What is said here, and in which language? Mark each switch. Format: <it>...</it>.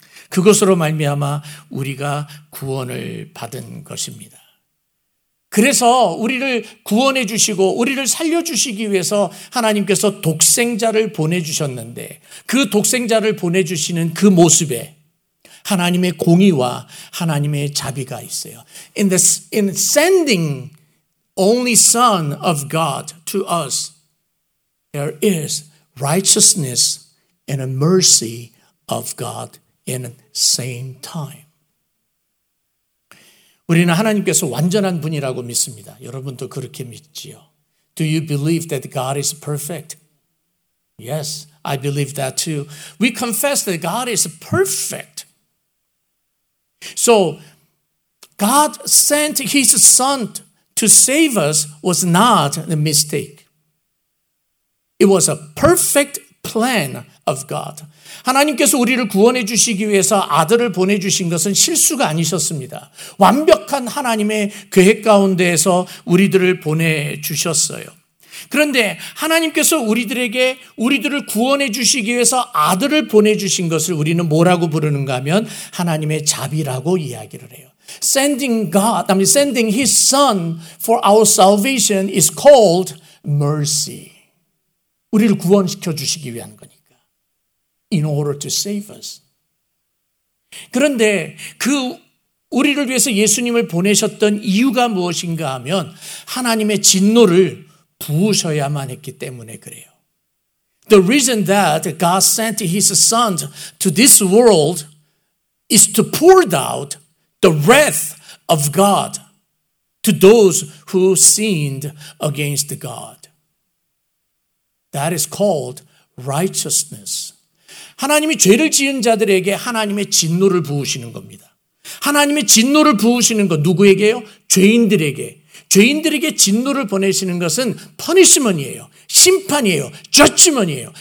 <ko>그것으로 말미암아 우리가 구원을 받은 것입니다. 그래서 우리를 구원해 주시고 우리를 살려 주시기 위해서 하나님께서 독생자를 보내주셨는데 그 독생자를 보내주시는 그 모습에 하나님의 공의와 하나님의 자비가 있어요.</ko> <en>In sending only Son of God to us, there is righteousness and a mercy of God in the same time.</en> <ko>우리는 하나님께서 완전한 분이라고 믿습니다. 여러분도 그렇게 믿지요.</ko> <en>Do you believe that God is perfect? Yes, I believe that too. We confess that God is perfect. So, God sent His Son to save us was not a mistake. It was a perfect plan of God.</en> <ko>하나님께서 우리를 구원해 주시기 위해서 아들을 보내주신 것은 실수가 아니셨습니다. 완벽한 하나님의 계획 가운데에서 우리들을 보내주셨어요. 그런데 하나님께서 우리들에게 우리들을 구원해 주시기 위해서 아들을 보내주신 것을 우리는 뭐라고 부르는가 하면 하나님의 자비라고 이야기를 해요.</ko> <en>Sending His Son for our salvation is called mercy.</en> <ko>우리를 구원시켜 주시기 위한 거니까.</ko> <en>In order to save us.</en> <ko>그런데 그 우리를 위해서 예수님을 보내셨던 이유가 무엇인가 하면 하나님의 진노를 부으셔야만 했기 때문에 그래요.</ko> <en>The reason that God sent His Son to this world is to pour out the wrath of God to those who sinned against God. That is called righteousness.</en> <ko>하나님이 죄를 지은 자들에게 하나님의 진노를 부으시는 겁니다. 하나님의 진노를 부으시는 건 누구에게요? 죄인들에게. 죄인들에게 진노를 보내시는 것은 punishment이에요. 심판이에요. judgment이에요.</ko>